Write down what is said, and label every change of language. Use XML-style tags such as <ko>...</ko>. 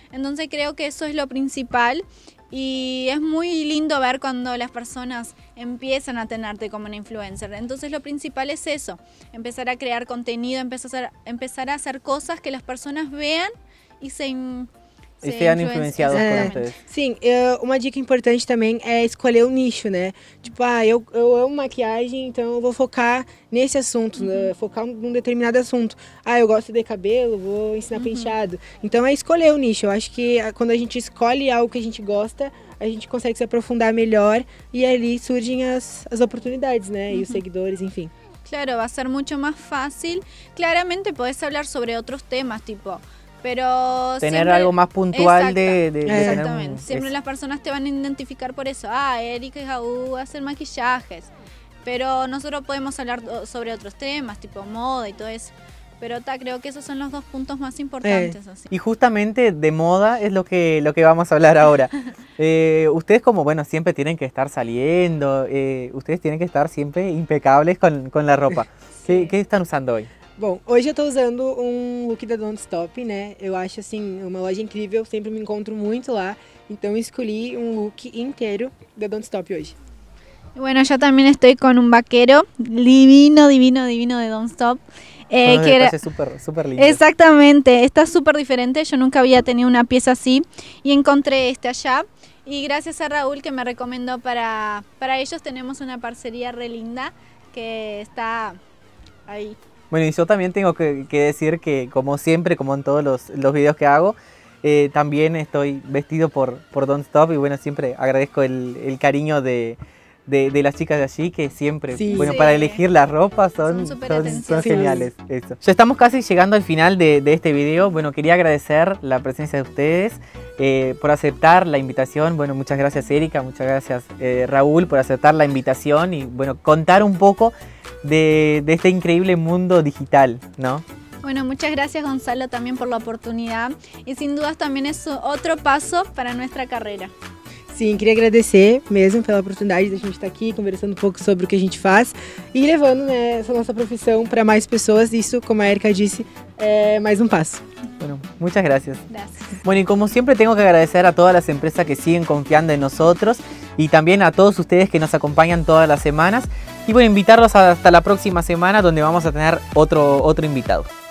<es>Entonces creo que eso es lo principal y es muy lindo ver cuando las personas empiezan a tenerte como una influencer. Entonces lo principal es eso, empezar a crear contenido, empezar a hacer cosas que las personas vean y sean influenciados por ustedes.</es> <pt>Sim, uma dica importante também é escolher o nicho, né? Tipo, eu amo maquiagem, então eu vou focar nesse assunto, né? Focar num determinado assunto. Eu gosto de cabelo, vou ensinar penteado. Então é escolher o nicho. Eu acho que quando a gente escolhe algo que a gente gosta, a gente consegue se aprofundar melhor e ali surgem as oportunidades, né? E os seguidores, enfim. Claro, vai ser muito mais fácil. Claramente, podes falar sobre outros temas, tipo... Pero</pt> <es>tener siempre, algo más puntual exactamente. Siempre las personas te van a identificar por eso. Erika y Jaú hacen maquillajes. Pero nosotros podemos hablar sobre otros temas, tipo moda y todo eso. Pero creo que esos son los dos puntos más importantes. Así. Y justamente de moda es lo que vamos a hablar ahora. ustedes como, bueno, siempre tienen que estar saliendo. Ustedes tienen que estar siempre impecables con la ropa. Sí. ¿Qué están usando hoy?</es> <pt>Bom, hoje eu tô usando um look da Don't Stop, né? Eu acho, assim, uma loja incrível, sempre me encontro muito lá. Então, escolhi um look inteiro da Don't Stop hoje. Bueno, eu também estou com um vaquero divino, divino, divino de Don't Stop. Que era super, super lindo. Exatamente, está super diferente. Eu nunca havia tenido uma peça assim e encontrei este allá. E graças a Raúl, que me recomendou para eles, temos uma parceria re linda que está aí.</pt> <es>Bueno, y yo también tengo que decir que, como siempre, como en todos los videos que hago, también estoy vestido por Don't Stop. Y bueno, siempre agradezco el cariño de las chicas de allí, que siempre, para elegir la ropa son geniales. Eso. Ya estamos casi llegando al final de este video. Bueno, quería agradecer la presencia de ustedes por aceptar la invitación. Bueno, muchas gracias, Erika. Muchas gracias, Raúl, por aceptar la invitación y, bueno, contar un poco de este increíble mundo digital, ¿no? Bueno, muchas gracias, Gonzalo, también por la oportunidad y sin dudas también es otro paso para nuestra carrera.</es> <pt>Sí, quería agradecer mesmo pela oportunidade de a gente estar aquí conversando un poco sobre o que a gente faz y levando, né, essa nossa profissão para mais pessoas. Isso, como a Erika disse, é mais um passo.</pt> <es>Bueno, muchas gracias. Gracias. Bueno, y como siempre tengo que agradecer a todas las empresas que siguen confiando en nosotros y también a todos ustedes que nos acompañan todas las semanas. Y bueno, invitarlos hasta la próxima semana, donde vamos a tener otro invitado.</es>